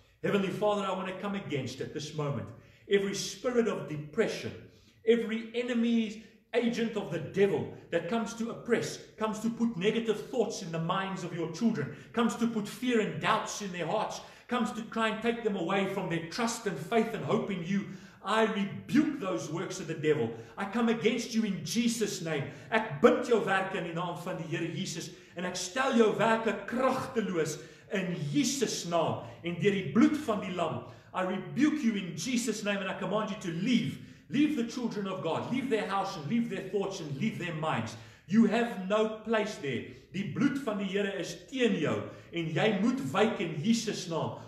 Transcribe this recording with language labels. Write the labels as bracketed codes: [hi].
[en] Heavenly Father, I want to come against at this moment. Every spirit of depression, every enemy's agent of the devil that comes to oppress, comes to put negative thoughts in the minds of your children, comes to put fear and doubts in their hearts, comes to try and take them away from their trust and faith and hope in you, I rebuke those works of the devil. I come against you in Jesus' name. [af] Ek bind jou werke in die naam van die Here Jesus en ek stel jou werke kragteloos in Jesus' naam en deur die bloed van die lam. [en] I rebuke you in Jesus' name and I command you to leave. Leave the children of God. Leave their house and leave their thoughts and leave their minds. You have no place there. [af] Die bloed van die Here is teen jou en jy moet wyk in Jesus' naam.